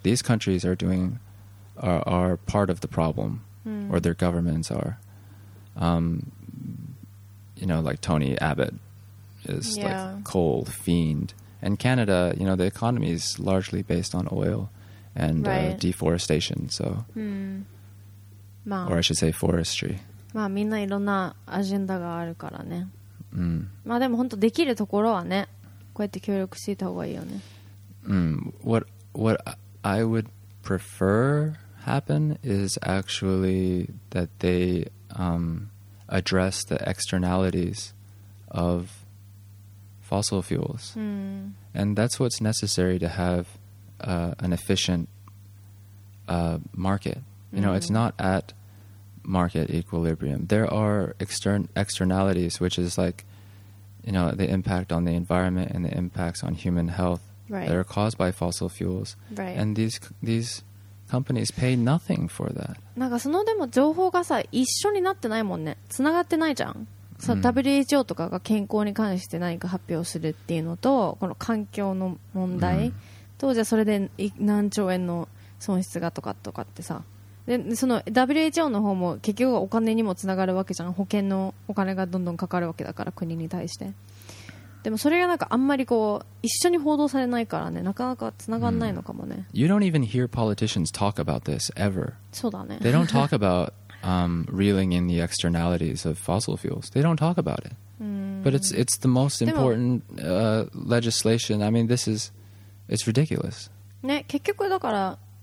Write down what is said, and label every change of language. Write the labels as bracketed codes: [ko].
[en] These countries are part of the problem, or their governments are. You know, like Tony Abbott is like coal fiend. And Canada, you know, the economy is largely based on oil and deforestation, so... Or I should say forestry. [ja] まあみんないろんなアジェンダがあるからね。まあでも本当できるところはね、こうやって協力していた方がいいよね。 [en] What I would prefer happen is actually that they address the externalities of fossil fuels. And that's what's necessary to have an efficient market. You know, it's not at market equilibrium. There are externalities, which is like, you know, the impact on the environment and the impacts on human health that are caused by fossil fuels. Right. And these companies pay nothing for that. [ja] なんかそのでも情報がさ一緒になってないもんね。つながってないじゃん。さ、WHO とかが健康に関して何か発表するっていうのとこの環境の問題と、じゃあそれで何兆円の損失がとかってさ。でその WHO の方も結局お金にもつながるわけじゃん。保険のお金がどんどんかかるわけだから国に対して。でもそれがなんかあんまりこう一緒に報道されないからね、なかなかつながんないのかもね。 [en] You don't even hear politicians talk about this ever. [ja] そうだね。 [en] They don't talk about reeling in the externalities of fossil fuels. They don't talk about it. But it's the most important legislation. I mean, this is it's ridiculous. [ja] ね、結局だから